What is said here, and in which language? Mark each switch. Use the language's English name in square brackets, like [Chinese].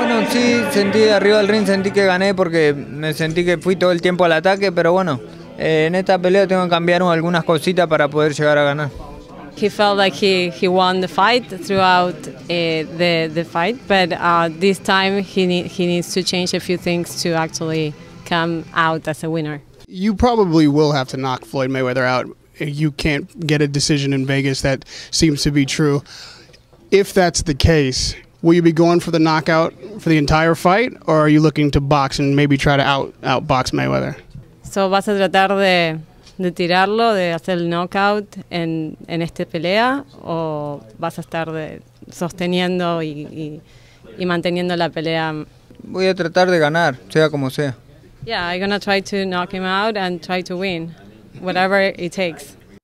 [Spanish] Sí, sentí arriba del ring, sentí que gané porque me sentí que fui todo el tiempo al ataque, pero bueno, en esta pelea tengo que cambiar algunas cositas para poder llegar a ganar. [English] He felt like he won the fight throughout the fight, but this time he needs to change a few things to actually come out as a winner. You probably will have to knock Floyd Mayweather out. You can't get a decision in Vegas, that seems to be true. If that's the case, will you be going for the knockout for the entire fight, or are you looking to box and maybe try to outbox Mayweather? [Spanish] So, vas a tratar de tirarlo, de hacer el knockout en esta pelea, o vas a estar sosteniendo y manteniendo la pelea? Voy a tratar de ganar, sea como sea. [English] Yeah, I'm gonna try to knock him out and try to win, whatever it takes.